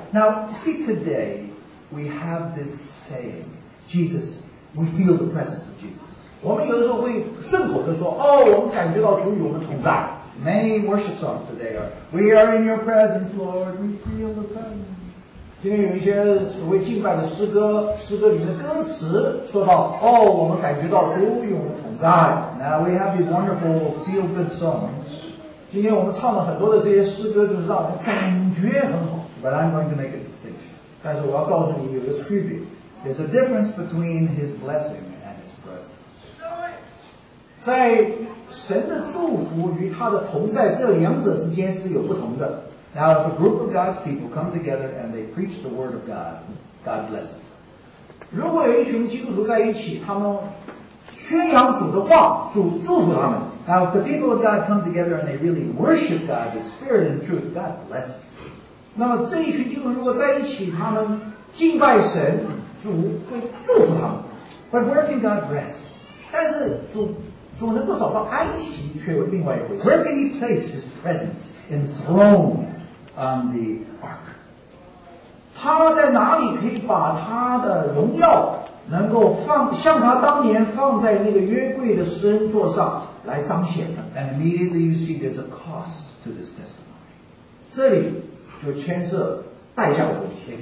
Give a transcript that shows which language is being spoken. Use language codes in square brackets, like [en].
[en] Now see today we have this saying Jesus we feel the presence of Jesus [zh] 我们有的时候会顺口地说哦我们感觉到主与我们同在 [en] Many worship songs today are We are in your presence Lord we feel the presence [zh] 今天有一些所谓敬拜的诗歌诗歌里面的歌词说到哦我们感觉到主与我们同在 [en] Now we have these wonderful feel good songs [zh] 今天我们唱了很多的这些诗歌就是让我们感觉很好 [en] But I'm going to make a distinction [zh] 但是我要告诉你有一个区别 [en] There's a difference between his blessing and his presence [zh] 在神的祝福与他的同在这两者之间是有不同的 [en] Now, if a group of God's people come together and they preach the word of God, God blesses them. [zh] 如果有一群基督徒在一起，他们宣扬主的话，主祝福他们。 [en] Now, if the people of God come together and they really worship God with spirit and truth, God blesses them. [zh] 那么这一群基督徒如果在一起，他们敬拜神，主会祝福他们。 [en] But where can God rest? [zh] 但是主能够找到安息，却有另外一回事。 [en] Where can he place his presence enthroned? On the ark. [zh] 他在哪里可以把他的荣耀能够放像他当年放在那个约柜的施恩座上来彰显呢 [en] And immediately you see there's a cost to this testimony. [zh] 这里就牵涉代价的问题